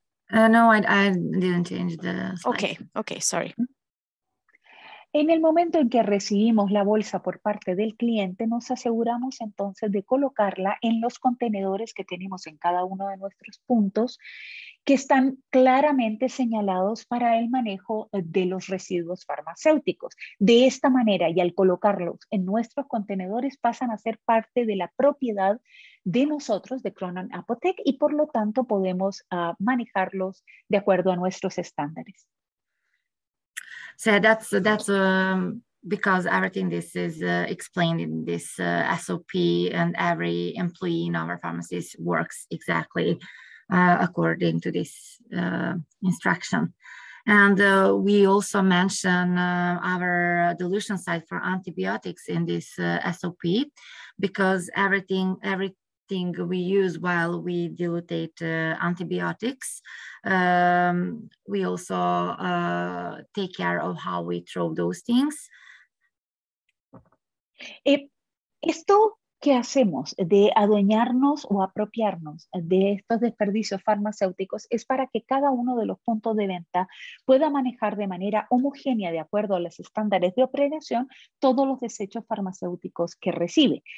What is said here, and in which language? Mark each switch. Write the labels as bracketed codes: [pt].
[en] No, I didn't change the slide. Okay, sorry. [es] En el momento en que recibimos la bolsa por parte del cliente, nos aseguramos entonces de colocarla en los contenedores que tenemos en cada uno de nuestros puntos que están claramente señalados para el manejo de los residuos farmacéuticos. De esta manera, y al colocarlos en nuestros contenedores, pasan a ser parte de la propiedad de nosotros, de Cronan Apotec, y por lo tanto podemos manejarlos de acuerdo a nuestros estándares. [en] So that's because everything this is explained in this SOP, and every employee in our pharmacies works exactly according to this instruction. And we also mention our dilution site for antibiotics in this SOP, because everything we use while we dilute antibiotics, we also take care of how we throw those things. [es] Esto que hacemos de adueñarnos o apropiarnos de estos desperdicios farmacéuticos es para que cada uno de los puntos de venta pueda manejar de manera homogénea, de acuerdo a los estándares de operación, todos los desechos farmacéuticos que recibe.